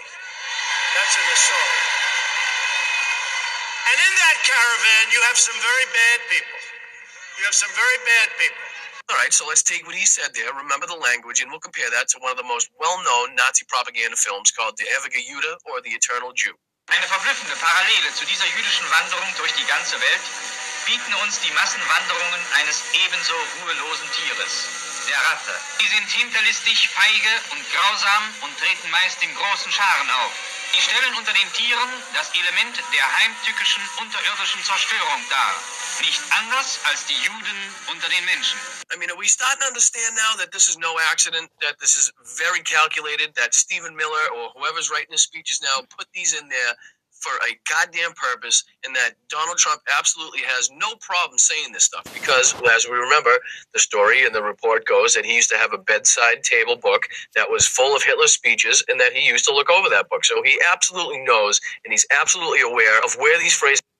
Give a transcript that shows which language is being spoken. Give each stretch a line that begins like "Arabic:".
English: That's an assault. And in that caravan, you have some very bad people. You have some very bad people. All right, so let's take what he said there, remember the language, and we'll compare that to one of the most well-known Nazi propaganda films called Der ewige Jude or The Eternal Jew.
German: Eine verblüffende Parallele zu dieser jüdischen Wanderung durch die ganze Welt bieten uns die Massenwanderungen eines ebenso ruhelosen Tieres, der Ratte. Sie sind hinterlistig, feige und grausam und treten meist in großen Scharen auf. Sie stellen unter den Tieren das Element der heimtückischen unterirdischen Zerstörung dar. Nicht anders als die Juden unter den Menschen.
English: I mean, are we starting to understand now that this is no accident, that this is very calculated, that Stephen Miller or whoever's writing the speeches now put these in there for a goddamn purpose, and that Donald Trump absolutely has no problem saying this stuff? Because, as we remember, the story and the report goes that he used to have a bedside table book that was full of Hitler's speeches, and that he used to look over that book. So he absolutely knows, and he's absolutely aware of where these phrases...